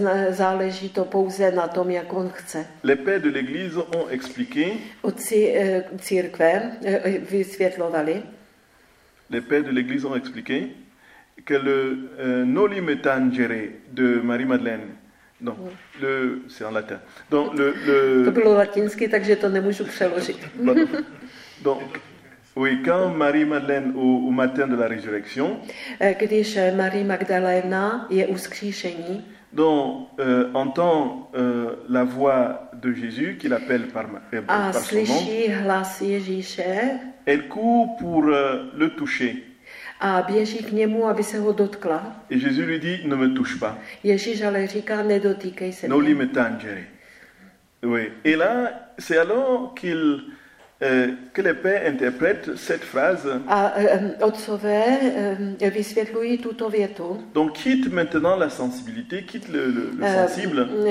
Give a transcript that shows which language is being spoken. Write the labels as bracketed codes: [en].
[cs] Záleží to pouze na tom, jak on chce. [fr] Les pères de l'Église ont expliqué, [cs] otci církve vysvětlovali, [fr] les pères de l'Église ont expliqué que le noli me tangere de Marie Madeleine. Donc le c'est en latin. Donc le [cs] to bylo latinsky, takže to nemůžu přeložit. [fr] Donc oui, quand Marie Madeleine au matin de la résurrection, [cs] když Marie Magdalena je uskříšení, [fr] donc entend la voix de Jésus qui l'appelle par son nom. [cs] A slyší hlas Ježíše. [fr] Elle court pour le toucher. [cs] A běží k němu, aby se ho dotkla. [fr] Et Jésus lui dit, ne me touche pas. [cs] Ježíš ale říká, nedotýkej se. [la] Non lui me tangere. Oui. [fr] Et là, c'est alors qu'il que le père interprète cette phrase. [cs] A otcové vysvětlují tuto větu. [fr] Donc quitte maintenant la sensibilité, quitte le sensible.